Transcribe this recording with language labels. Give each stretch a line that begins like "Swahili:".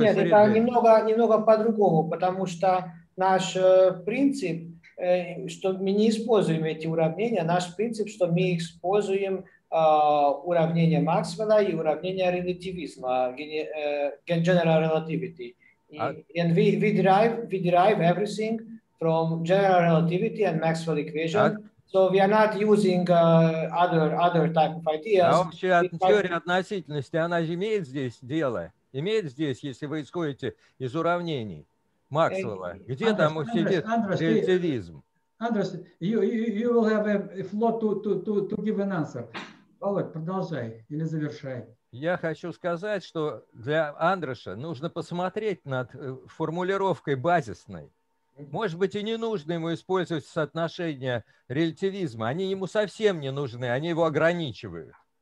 Russian: Нет, это немного по-другому, потому что наш принцип, что мы не используем эти уравнения, наш принцип, что мы используем уравнение Максвелла и уравнение релятивизма,
English: general relativity. And we derive everything from general relativity and Maxwell equation. So we are not using other type of ideas.
Russian: А общая теория относительности, она имеет здесь дело? Имеет здесь, если вы исходите из уравнений Максвелла? Где там сидит релятивизм?
English: Андрес, you will have a flow to give an answer.
Russian: Володь, продолжай или завершай. Я хочу сказать, что для Андреша нужно посмотреть над формулировкой базисной. Может быть, и не нужно ему использовать соотношение релятивизма. Они ему совсем не нужны, они его ограничивают.